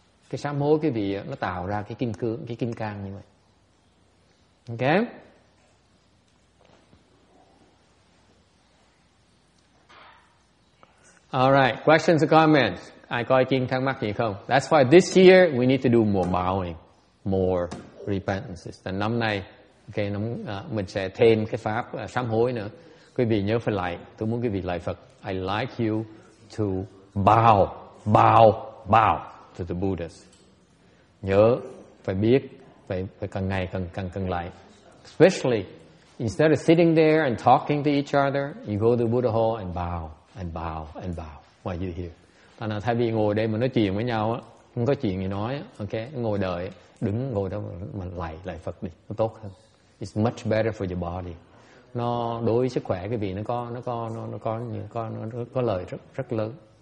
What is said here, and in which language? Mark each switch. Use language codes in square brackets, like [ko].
[vi] Cái sám hối quý vị nó tạo ra cái kim cương, cái kim cang như vậy. Ok. [en] Alright, questions or comments? [vi] Ai có ý kiến thắc mắc gì không? [en] That's why this year we need to do more bowing, more repentances. [vi] Và năm nay, okay, mình sẽ thêm cái pháp sám hối nữa. Quý vị nhớ phải lại, tôi muốn quý vị lại Phật. [en] I like you to bow to the Buddhas. [vi] Nhớ, phải biết, phải càng ngày càng lại. [en] Especially, instead of sitting there and talking to each other, you go to the Buddha hall and bow while you're here. [vi] Thế nào thay vì ngồi đây mà nói chuyện với nhau, không có chuyện gì nói, okay, ngồi đợi, đứng ngồi đó mà lại Phật đi, nó tốt hơn. [en] It's much better for your body. [vi] Nó đối với sức khỏe cái vị nó có lợi rất rất lớn.